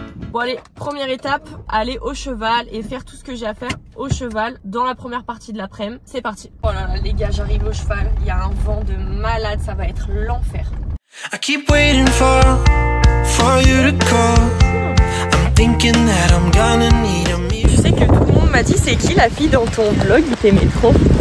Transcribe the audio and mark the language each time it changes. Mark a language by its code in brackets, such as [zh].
[fr] Bon allez, première étape, aller au cheval et faire tout ce que j'ai à faire au cheval dans la première partie de l'après-midi. C'est parti. Oh là là, les gars, j'arrive au cheval, il y a un vent de malade, ça va être l'enfer. [en] I keep waiting for you to call. I'm thinking that I'm gonna need a meal. [fr] Tu sais que tout le monde m'a dit, c'est qui la fille dans ton vlog? T'aimais trop.